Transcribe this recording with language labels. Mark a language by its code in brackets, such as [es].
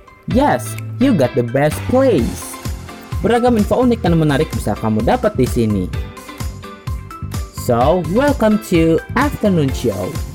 [en] Yes, you got the best place. [id] Beragam info unik dan menarik bisa kamu dapat di sini. [en] So, welcome to Afternoon Show.